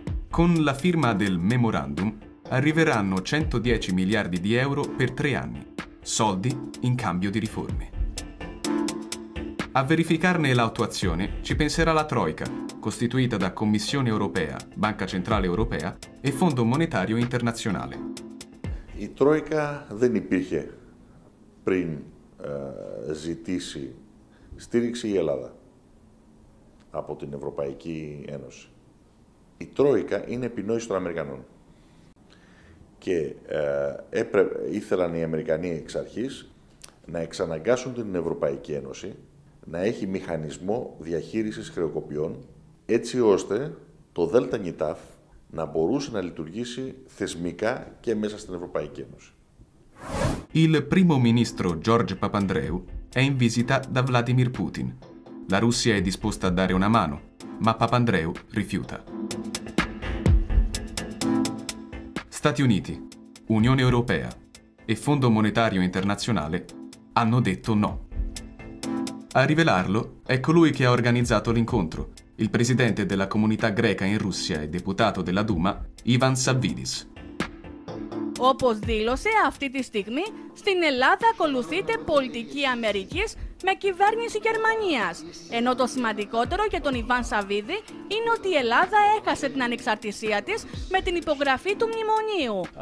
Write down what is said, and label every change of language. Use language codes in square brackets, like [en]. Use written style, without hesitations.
[it] Con la firma del memorandum arriveranno 110 miliardi di euro per 3 anni, soldi in cambio di riforme. A verificarne l'attuazione ci penserà la Troica, costituita da Commissione Europea, Banca Centrale Europea e Fondo Monetario Internazionale. [el] Η Τρόικα δεν υπήρχε πριν ζητήσει στήριξη η Ελλάδα από την Ευρωπαϊκή Ένωση. Η Τρόικα είναι επινόηση των Αμερικανών. Και ήθελαν οι Αμερικανοί εξ αρχής να εξαναγκάσουν την Ευρωπαϊκή Ένωση να έχει μηχανισμό διαχείρισης χρεοκοπιών, έτσι ώστε το Δέλτα Νιτάφ να μπορούσε να λειτουργήσει θεσμικά και μέσα στην Ευρωπαϊκή Ένωση. [it] Il primo ministro George Papandreou è in visita da Vladimir Putin. La Russia è disposta a dare una mano, ma Papandreou rifiuta. Stati Uniti, Unione Europea e Fondo Monetario Internazionale hanno detto no. A rivelarlo è colui che ha organizzato l'incontro, il presidente della comunità greca in Russia e deputato della Duma, Ivan Savvidis. [el] Όπως δήλωσε αυτή τη στιγμή, στην Ελλάδα ακολουθείται πολιτική Αμερικής με κυβέρνηση Γερμανίας. Ενώ το σημαντικότερο για τον Ιβάν Σαββίδη είναι ότι η Ελλάδα έχασε την ανεξαρτησία της με την υπογραφή του μνημονίου.